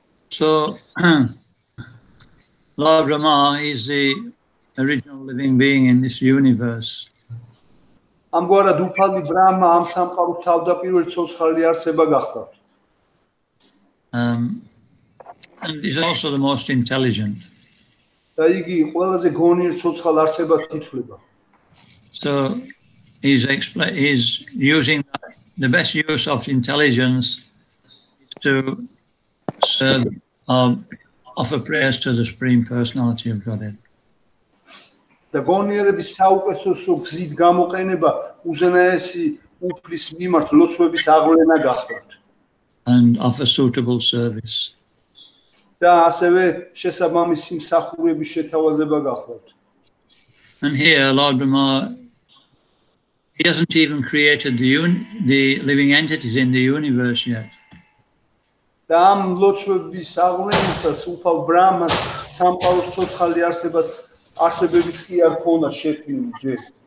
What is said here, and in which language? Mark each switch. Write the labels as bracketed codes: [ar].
[en] So, Lord Brahma is the original living being in this universe. [ka] ამგვარად უფალი ბრაჰმა ამ სამყაროს თავდაპირველი ცოცხალი არსება გახლავთ. [en] And he's also the most intelligent. [ka] და იგი ყველაზე გონიერ ცოცხალ არსება თითვლება. [en] So he's using the best use of intelligence to serve offer prayers to the Supreme Personality of Godhead. [ka] და გონიერების საუკეთესო გზით გამოყენება უზენაესი უფლის მიმართ ლოცვების აღლენა გახლავთ. [en] And offer suitable service. [ka] და ასევე შესაბამისი მსახურების შეთავაზება გახლავთ. [en] And here Lord Brahma, he hasn't even created the living entities in the universe yet. [ka] და ამ ლოცვების აღლენისას უფალ ბრაჰმას სამყაროს ცოცხალი არსებას არსებებიც კი არ ქონა შექმნილი ჯერ.